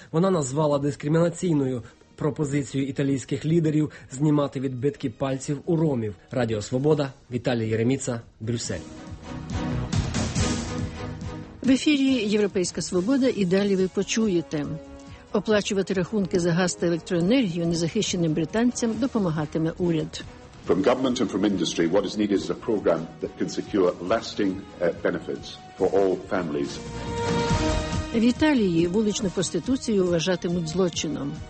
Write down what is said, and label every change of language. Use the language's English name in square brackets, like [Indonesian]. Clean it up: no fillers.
[Ukrainian] Вона назвала дискримінаційною пропозицію італійських лідерів знімати відбитки пальців у ромів. Радіо «Свобода», Віталій Єреміця, Брюссель. В ефірі «Європейська свобода» і далі ви почуєте. Оплачувати рахунки за газ та електроенергію незахищеним британцям допомагатиме уряд. [English] From government and from industry, what is needed is a program that can secure lasting benefits for all families. [Ukrainian] В Італії вуличну проституцію вважатимуть злочином.